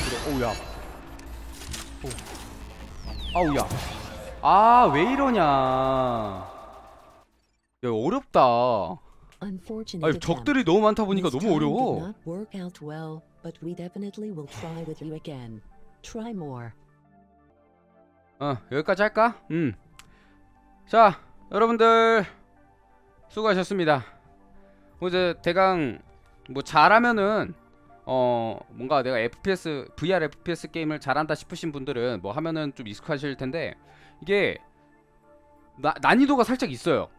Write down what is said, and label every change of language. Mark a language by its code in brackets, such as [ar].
[ko] 오우야. 아우야. 아 왜 이러냐. 야 어렵다. 아니 적들이 너무 많다 보니까 너무 어려워. [en] Work out well, but we definitely will try with you again. Try more. [ko] 여기까지 할까? 자, 여러분들 수고하셨습니다. 이제 대강 뭐 잘하면은 뭔가 내가 FPS, VR FPS 게임을 잘한다 싶으신 분들은 뭐 하면은 좀 익숙하실 텐데 이게 난이도가 살짝 있어요.